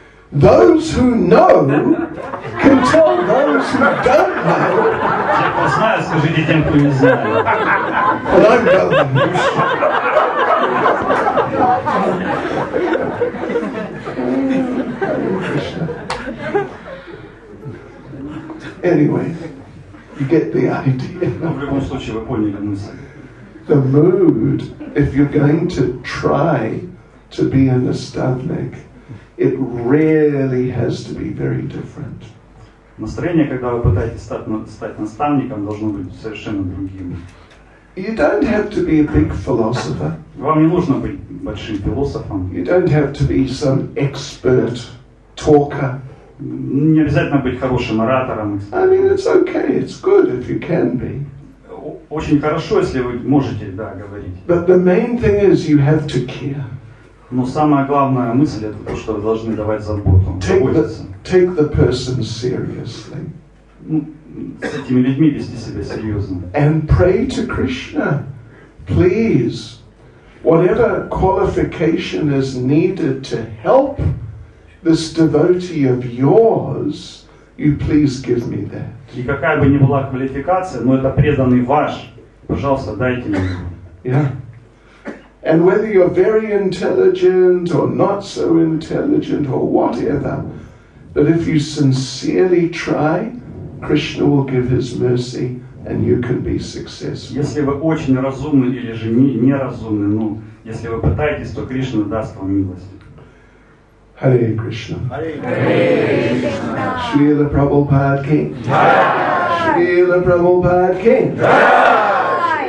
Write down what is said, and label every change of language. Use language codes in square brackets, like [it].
[en] Those who know can tell those who don't know. [ru] Те, кто знает, скажите тем, кто не знает. [en] But I'm going. Anyway, you get the idea. [ru] В любом случае, вы поняли мысль. [en] The mood, if you're going to try to be an astadnik, it really has to be very different. [ru] Настроение, когда вы пытаетесь стать наставником, должно быть совершенно другим. [en] You don't have to be a big philosopher. [ru] Вам не нужно быть большим философом. [en] You don't have to be some expert talker. [ru] Не обязательно быть хорошим оратором. [en] I mean, it's okay, it's good if you can be. [ru] Очень хорошо, если вы можете, да, говорить. [en] But the main thing is you have to care. [ru] Но самая главная мысль это то, что вы должны давать заботу. [en] Take the person seriously. [ru] С этими людьми вести себя серьезно. [en] And pray to Krishna, please, whatever qualification is needed to help this devotee of yours, you please give me that. [ru] И какая бы ни была квалификация, но это преданный ваш, пожалуйста, дайте мне. [en] Yeah. And whether you're very intelligent or not so intelligent or whatever, but if you sincerely try, Krishna will give his mercy and you can be successful. [ru] Если вы очень разумны или же неразумны, но если вы пытаетесь, то Кришна даст вам милость. [en] Hare Krishna. Hare Krishna. Srila Prabhupada ki. Jai. Srila Prabhupada ki. Jai.